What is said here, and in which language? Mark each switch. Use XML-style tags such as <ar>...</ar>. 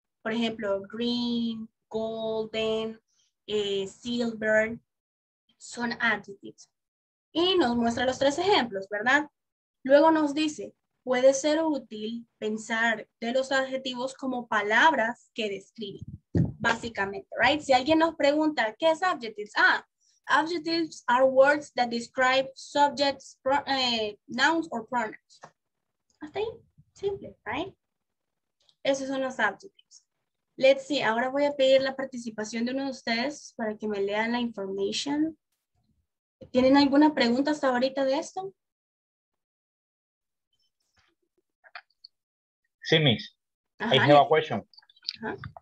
<es>Por ejemplo, green, golden, silver, son adjectives. Y nos muestra los tres ejemplos, ¿verdad? Luego nos dice, puede ser útil pensar de los adjetivos como palabras que describen. básicamente, right? Si alguien nos pregunta, ¿qué es adjectives?</es> <en>Ah, adjectives are words that describe subjects, nouns or pronouns.</en> <es>Hasta ahí, simple, right? Esos son los adjectives.</es> <en>Let's see,</en> <es>ahora voy a pedir la participación de uno de ustedes para que me lean la information. ¿Tienen alguna pregunta hasta ahorita de esto?</es> <en>Sí, miss. Ajá. I have a question. Ajá.</en>